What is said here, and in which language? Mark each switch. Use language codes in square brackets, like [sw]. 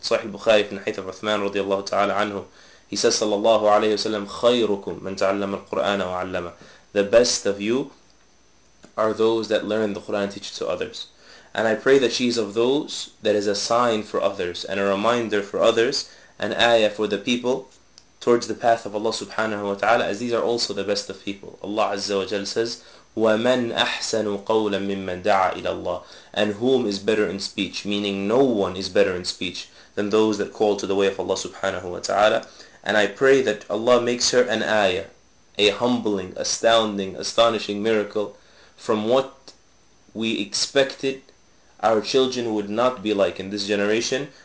[en] Sahih Bukhari from the Hadith of Uthman radiallahu ta'ala anhu, he says, sallallahu alayhi wa sallam, [ar] خَيْرُكُمْ مَنْ تَعَلَّمَ الْقُرْآنَ وَعَلَّمَهُ. [en] The best of you are those that learn the Quran and teach it to others. And I pray that she is of those that is a sign for others and a reminder for others, an ayah for the people towards the path of Allah subhanahu wa ta'ala, as these are also the best of people. [ar] Allah azza wa jal [en] says, [ar] وَمَنْ أَحْسَنُ قَوْلًا مِمَّنْ دَعَى إِلَى اللَّهِ. [en] And whom is better in speech, meaning no one is better in speech than those that call to the way of Allah subhanahu wa ta'ala. And I pray that Allah makes her an ayah, a humbling, astounding, astonishing miracle from what we expected our children would not be like in this generation.